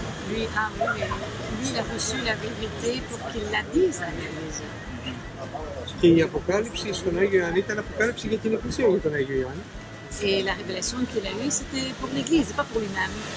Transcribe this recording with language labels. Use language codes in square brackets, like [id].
[fr] Lui a reçu la vérité pour qu'il la dise à l'Église. [el] Και η αποκάλυψη στον Άγιο Ιωάννη ήταν αποκάλυψη για την Εκκλησία, όχι τον Άγιο Ιωάννη. [fr] Et la révélation qu'il a eue, c'était pour l'Église, pas pour lui-même.